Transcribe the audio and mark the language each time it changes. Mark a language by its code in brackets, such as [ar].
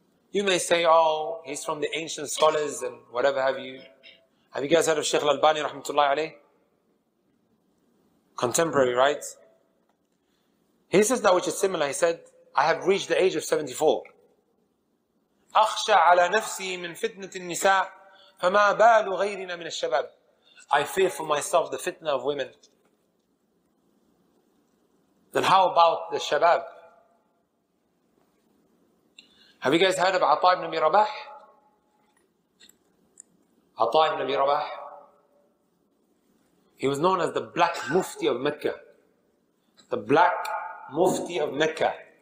[en] You may say, oh, he's from the ancient scholars and whatever have you. Have you guys heard of Sheikh Al-Albani, rahmatullahi alayh? Contemporary, right? He says that which is similar. He said, I have reached the age of 74. [ar] أَخْشَى عَلَى نَفْسِي مِنْ فِتْنَةِ النِّسَاءِ فَمَا بَالُ غَيْرِنَا مِنَ الشَّبَابِ [en] I fear for myself the fitna of women. Then how about the shabab? Have you guys heard of Ata ibn Abi Rabah? Ata ibn Abi Rabah. He was known as the Black Mufti of Mecca. The Black Mufti of Mecca.